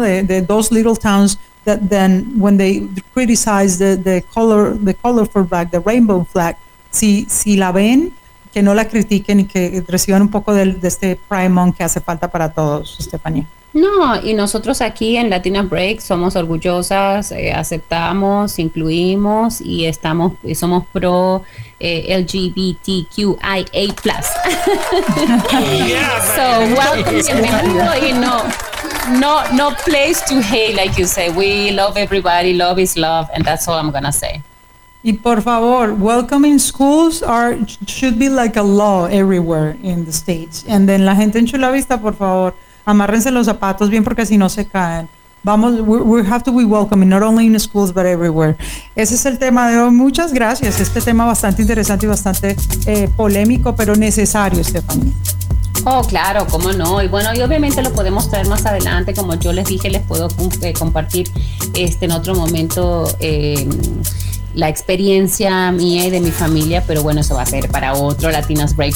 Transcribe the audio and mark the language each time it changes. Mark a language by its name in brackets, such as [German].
[English] De those little towns that then when they criticize the color for black, the rainbow flag, [Spanish] si la ven, que no la critiquen y que reciban un poco de este Pride Month que hace falta para todos, Estefanía. No, y nosotros aquí en Latina Break somos orgullosas, aceptamos, incluimos y somos pro LGBTQIA+. [English] So welcome, no place to hate, like you say. We love everybody, love is love, and that's all I'm gonna say. [Spanish] Y por favor, [English] welcoming schools should be like a law everywhere in the States. And then [Spanish] la gente en Chula Vista, por favor, amárrense los zapatos bien porque si no se caen. Vamos, [English] we have to be welcoming, not only in schools, but everywhere. [Spanish] Ese es el tema de hoy. Muchas gracias. Este tema bastante interesante y bastante polémico, pero necesario, Stephanie. Oh, claro, cómo no. Y bueno, y obviamente lo podemos traer más adelante. Como yo les dije, les puedo compartir en otro momento la experiencia mía y de mi familia, pero bueno, eso va a ser para otro Latinas Break.